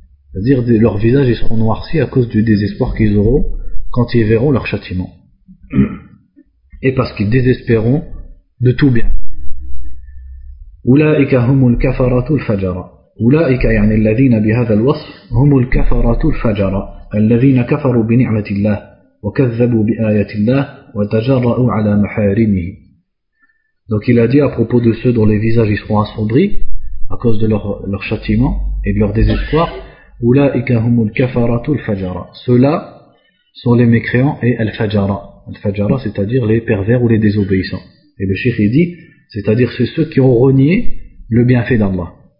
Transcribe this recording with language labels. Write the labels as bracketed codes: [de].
[fr] C'est-à-dire leurs visages ils seront noircis à cause du désespoir qu'ils auront quand ils verront leur châtiment. Et parce qu'ils désespéreront de tout bien. [ar] أولئك هم الكفرة الفجرة. أولئك يعني الذين بهذا الوصف هم الكفرة الفجرة، الذين كفروا بنعمة الله وكذبوا بآية الله وتجرأوا على محارمه. [fr] Donc il a dit à propos de ceux dont les visages seront assombris à cause de leur châtiment et de leur désespoir, [ar] أولئك هم الكفرة الفجرة. [fr] Ceux-là sont les mécréants et الفجرة. Al-Fajara, c'est-à-dire les pervers ou les désobéissants. Et le Cheikh dit, c'est-à-dire c'est ceux qui ont renié le bienfait d'Allah.